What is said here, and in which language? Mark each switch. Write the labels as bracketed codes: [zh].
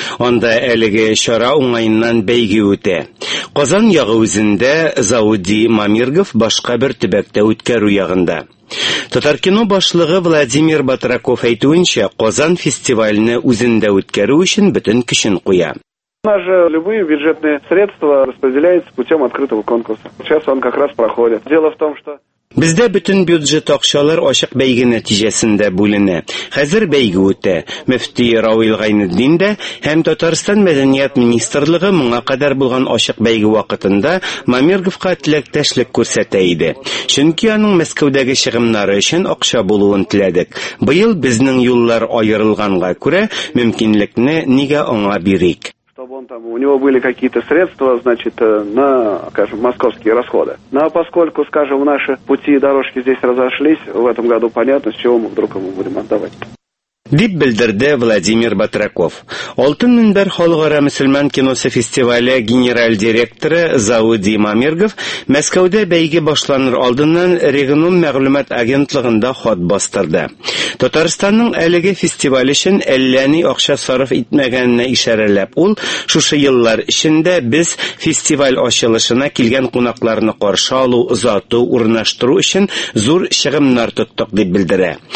[tt] Анда әлеге чара уңайыннан бәйге үтә. Казан ягы үзендә Зауди Мамергов башка бер төбәктә үткәрү ягында. Татар кино башлыгы Владимир Батраков әйтүенчә, Казан фестивалене үзендә үткәрү өчен бөтен көчен куя. [ru] У нас же любые бюджетные средства распределяются путем открытого конкурса. Сейчас он как раз проходит. Дело в том, что... [tt] Бездә бүтән бюджет акчалар ачык бәйге нәтиҗәсендә бүленә. Хәзер бәйге үтә. Мөфти Равил Гайнетдин дә һәм Татарстан мәдәният министрлыгы моңа кадәр булган ачык бәйге вакытында Мамерговка тилектәшлек күрсәтә иде. Чөнки аның Мәскәүдәге чыгымнары өчен акча булуын теләдек. Быел безнең юллар аерылганга күрә мөмкинлекне нигә аңа бирик. [ru] Там у него были какие-то средства, значит, на, скажем, московские расходы. Но поскольку, скажем, наши пути и дорожки здесь разошлись, в этом году понятно, с чего мы вдруг ему будем отдавать. [tt] Дип белдерде Владимир Батраков. Алтын Минбер халыкара мусульман киносы фестивале генераль директоры Зауди Мамергов Мәскәүдә бәйге башланыр алдыннан Регнум мәгълүмат агентлыгында хат бастырды. Татарстанның әлеге фестиваль өчен әлләни акча сарыф итмәгәненә ишарәләп, ул шушы еллар эчендә без фестиваль ачылышына килгән кунакларны каршы алу, озату, урнаштыру өчен зур чыгымнар тоттык дип белдерә.